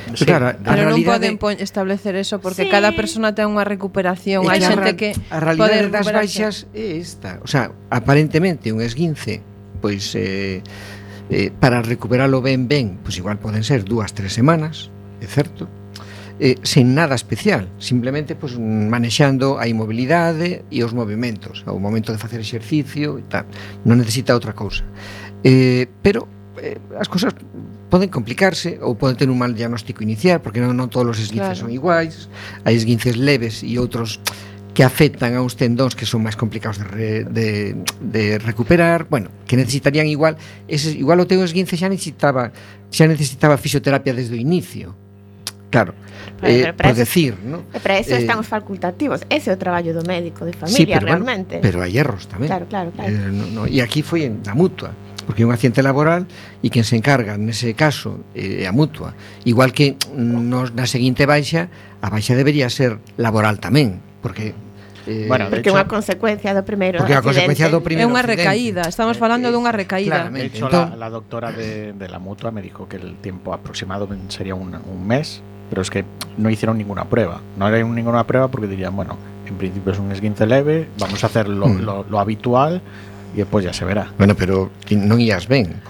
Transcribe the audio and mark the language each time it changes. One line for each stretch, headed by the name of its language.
Galician: Sí, claro, pero non poden establecer eso porque sí, cada persona ten unha recuperación. Hai xente que a realidade das baixas é esta. O sea, aparentemente un esguince, pois para recuperalo ben, pois igual poden ser 2-3 semanas, é certo? Sen nada especial, simplemente pois manexando a inmobilidade e os movimentos, ao momento de facer exercicio e tal. Non necesita outra cousa. Pero as cousas poden complicarse ou poden ter un mal diagnóstico inicial, porque non todos os esguinces, claro, son iguais. Hai esguinces leves e outros que afectan a uns tendóns que son máis complicados de recuperar. Bueno, que necesitarían igual ese, igual o teu esguince xa necesitaba fisioterapia desde o inicio. Claro, por decir, ¿no? Para eso están os facultativos. Ese é o traballo do médico de familia, sí, pero realmente, bueno, pero hai erros tamén. Claro. No, e aquí foi
Spanish: en la mutua,
Galician: porque é un accidente laboral e quen se encarga nese caso é a mutua. Igual que na seguinte baixa, a baixa debería ser laboral tamén, porque porque é unha consecuencia do primeiro accidente. É unha consecuencia do primeiro accidente. É unha recaída, estamos falando dunha recaída. Claramente.
Spanish: De hecho, entón, la doctora de la mutua me dijo que el tiempo aproximado sería un mes, pero es que no hicieron ninguna prueba. No era ninguna prueba porque dirían, bueno, en principio es un esguince leve, vamos a hacer lo habitual. Y después ya se verá. Bueno, pero no ibas bien.